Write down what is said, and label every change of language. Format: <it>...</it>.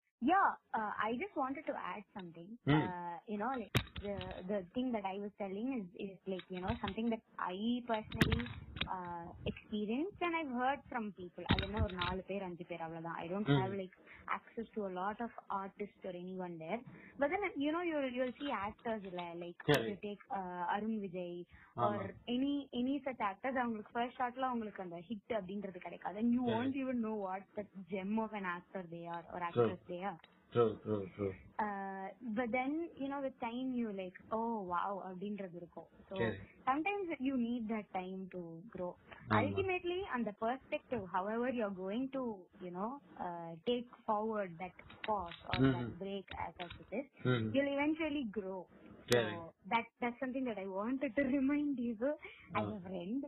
<en>Yeah, I just wanted to add something. You know, like the thing that I was telling is like, you know, something that I personally experienced and I've heard from people. I don't know,</en> <ta>4 பேர் 5 பேர் அவ்வளவுதான்.</ta> <en>I don't have like access to a lot of artists or anyone there. But then, you know, you'll see actors like if you take Arun Vijay or any such actors,</en> <ta>அவங்களுக்கு first shot ல உங்களுக்கு அந்த hit அப்படிங்கிறது கிடைக்காது.</ta> <en>And you won't even know what the gem of an actor they are or actress they are. True. But then, you know, with time you like, oh wow,</en> <ta>அப்படின்றது இருக்கும்.</ta> <en>So sometimes you need that time to grow. Ultimately, and the perspective, however you're going to, you know, take forward that pause or that break as it is, you'll eventually grow. Yeah. So that's something that I wanted to remind you as a friend.</en>